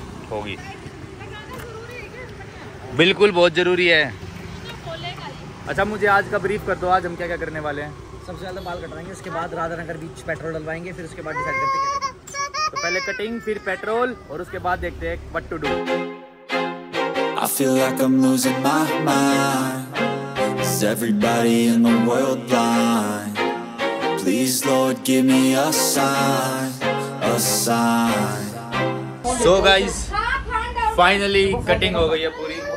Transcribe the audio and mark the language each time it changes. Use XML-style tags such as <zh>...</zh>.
<hi>होगी बिल्कुल, बहुत जरूरी है। अच्छा मुझे आज का ब्रीफ कर दो, आज हम क्या क्या करने वाले हैं? सबसे ज्यादा बाल कटवाएंगे, उसके बाद राधानगर बीच पेट्रोल डलवाएंगे, फिर उसके बाद डिसाइड करते हैं। तो पहले कटिंग फिर पेट्रोल और उसके बाद देखते हैं</hi> <en>What to do. I feel like I'm losing my mind. Is everybody in the world blind? Please Lord give me a sign. A sign. So guys, finally cutting</en> <hi>हो गई है पूरी।</hi>